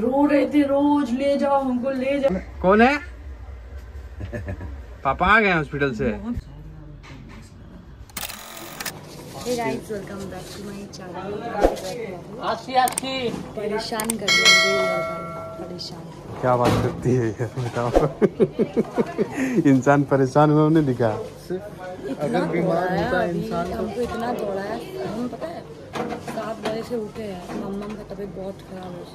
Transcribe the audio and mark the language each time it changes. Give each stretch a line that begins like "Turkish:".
Hindi: रो रहे थे रोज, ले जाओ हमको ले जाओ। कौन है? पापा आ गए हॉस्पिटल से।
English: Hey guys, welcome back to my channel.
Hindi: आशी आशी। परेशान कर दिया परेशान। क्या बात करती है इंसान परेशान हुआ उन्हें दिखा। इतना बीमार होता है इंसान, हमको इतना दौड़ा है। हम पता है 7 बजे से उठे हैं, मम्मा का तबीयत बहुत खराब है।